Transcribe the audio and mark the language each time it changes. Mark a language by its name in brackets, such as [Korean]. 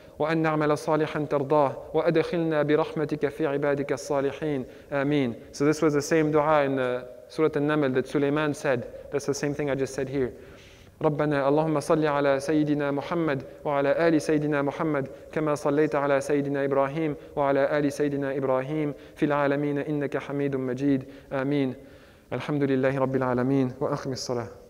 [Arabic] وأن نعمل صالحا ترضاه وأدخلنا برحمتك في عبادك الصالحين آمين. [English] So this was the same dua in Surah An-Naml that Suleiman said. That's the same thing I just said here. [Arabic] ربنا اللهم صل على سيدنا محمد وعلى آل سيدنا محمد كما صليت على سيدنا إبراهيم وعلى آل سيدنا إبراهيم في العالمين إنك حميد مجيد آمين. الحمد لله رب العالمين وأقم الصلاة.